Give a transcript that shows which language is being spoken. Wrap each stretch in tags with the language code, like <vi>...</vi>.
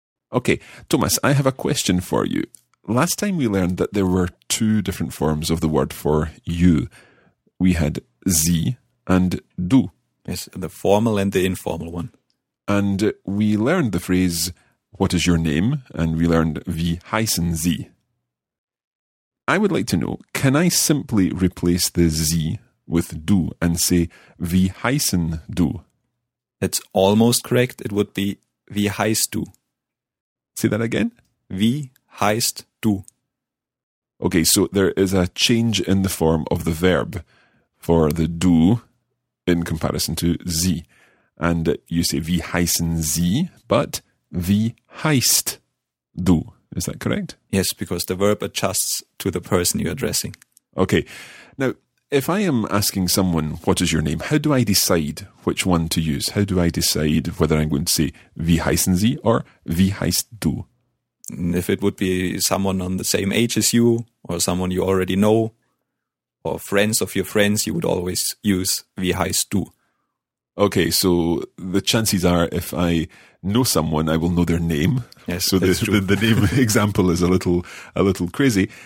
<en>Okay, Thomas, I have a question for you. Last time we learned that there were two different forms of the word for you. We had Sie and Du. Yes, the formal and the informal one. And we learned the phrase, what is your name? And we learned</en> <de>Wie heißen Sie?</de> <en>I would like to know, can I simply replace the Sie with Du and say,</en> <de>wie heißen Du?</de> <en>That's almost correct. It would be,</en> <de>wie heißt Du?</de> <en>Say that again.</en> <de>Wie heißt Du?</de> <en>Okay, so there is a change in the form of the verb for the Du in comparison to Sie. And you say,</en> <de>wie heißen Sie,</de> <en>but</en> <de>wie heißt Du?</de> <en>Is that correct? Yes, because the verb adjusts to the person you're addressing. Okay. Now, if I am asking someone, what is your name? How do I decide which one to use? How do I decide whether I'm going to say,</en> <de>wie heißen Sie</de> <en>or</en> <de>wie heißt du?</de> <en>If it would be someone on the same age as you or someone you already know or friends of your friends, you would always use</en> <de>wie heißt du.</de> <en>Okay, so the chances are if I know someone, I will know their name. Yes, so the name example is a little crazy.</en>